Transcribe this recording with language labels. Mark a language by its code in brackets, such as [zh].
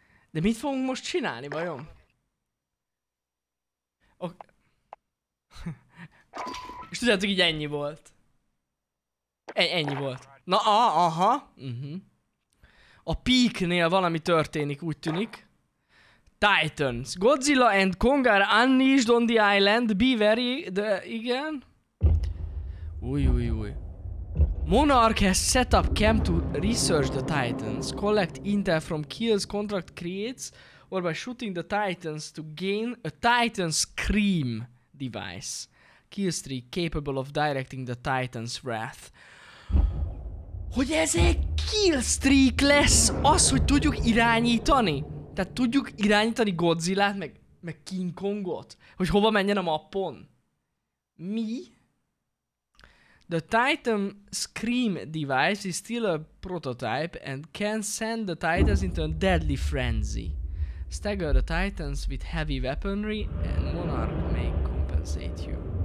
[hu] De mit fogunk most csinálni, vajon? [en] Okay. [hu] És tudjátok, így ennyi volt. Ennyi volt. Na, aha. Uh-huh. A peaknél valami történik, úgy tűnik. [en] Titans. Godzilla and Kong are unleashed on the island. Be very... [hu] De igen. Új. [en] Monarch has set up camp to research the Titans. Collect intel from kills contract creates or by shooting the Titans to gain a Titan scream device. Killstreak capable of directing the Titan's wrath. [hu] Hogy ez egy killstreak lesz az, hogy tudjuk irányítani? Tehát tudjuk irányítani Godzillát, meg King Kongot? Hogy hova menjen a mappon? Mi? [en] The Titan Scream device is still a prototype and can send the Titans into a deadly frenzy. Stagger the Titans with heavy weaponry and Monarch may compensate you.